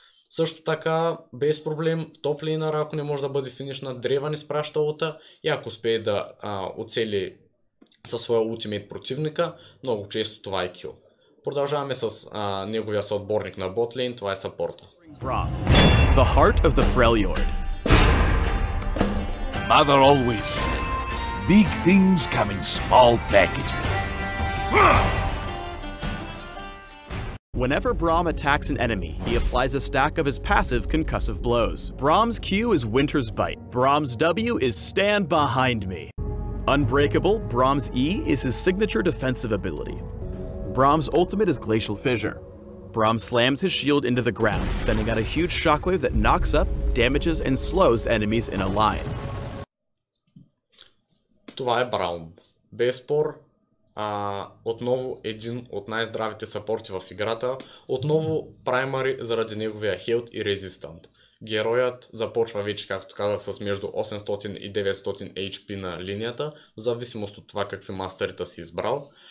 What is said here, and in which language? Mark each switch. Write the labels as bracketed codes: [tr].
[bg] Също така, без проблем, топ лейнър, ако не може да бъде финишна, Дрейвън изпраща лута и ако успее да оцели със своя ултимейт противника, много често това е кил. Продължаваме с неговия съотборник на ботлейн, това е сапорта. [en] The heart of the Freljord. Mother always said, big things come in small packages. Whenever Braum attacks an enemy, he applies a stack of his passive concussive blows. Braum's Q is Winter's Bite. Braum's W is Stand Behind Me. Unbreakable, Braum's E is his signature defensive ability. Braum's ultimate is Glacial Fissure. Braum slams his shield into the ground, sending out a huge shockwave that knocks up, damages, and slows enemies in a line. [bg] Това е Браум. Без спор, отново един от най-здравите сапорти в играта. Отново праймари заради неговия хилд и резистант. Героят започва вече, както казах, с между 800 и 900 HP на линията, в зависимост от това какви мастерите си избрал.